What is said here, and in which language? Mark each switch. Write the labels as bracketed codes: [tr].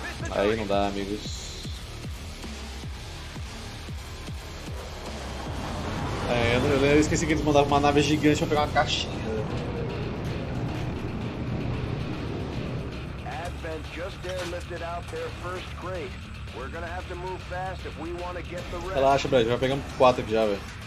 [pt] Aí não dá, amigos. É, eu esqueci que eles mandavam uma nave gigante pra pegar uma caixinha. [en] Advent just there lifted out their first crate. We're gonna have to move fast if we wanna get the rest. [pt] Relaxa, Brad, já pegamos 4 aqui já, velho.